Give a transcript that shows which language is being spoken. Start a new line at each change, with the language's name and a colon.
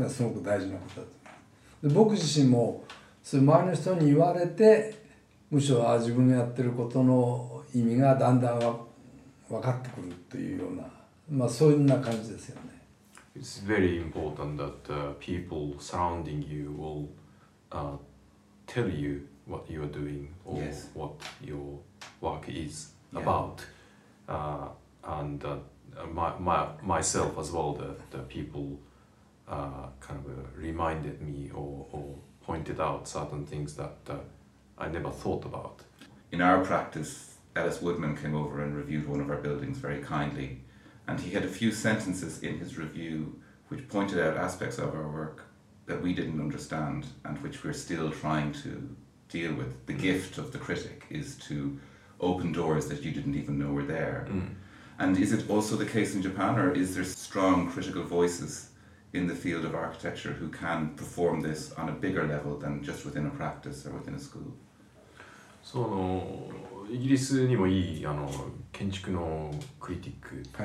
Japanese: デザインができなくなって、デュランは困るんですけど、でもそうじゃなくて、会話生徒とかで会話してる時に、その生徒が本人は全然気づいてないんだけど、それの中でいいところを見つけたりとかするっていうのは非常に大切なことだから、そういうことについてはどう思われますか？それはもちろん、おそらく先生とかですね、周りの人がその人について、そういう指摘をしていくっていうのはすごく大事なことだと。で、僕自身も、そういう周りの人に言われてむしろ自分がやってることの意味がだんだん分かってくるというような、まあそういうような感じですよね。
English: It's very important that people surrounding you will tell you what you are doing or Yes. what your work is about. Yeah. And myself as well, the people kind of reminded me or pointed out certain things that I never thought about. In our practice, Ellis Woodman came over and reviewed one of our buildings very kindly, and he had a few sentences in his review which pointed out aspects of our work that we didn't understand and which we're still trying to deal with. The gift of the critic is to open doors that you didn't even know were there. And is it also the case in Japan, or is there strong critical voices in the field of architecture who can perform this on a bigger level than just within a practice or within a school?
Japanese: So, イギリスにもいい建築のクリティック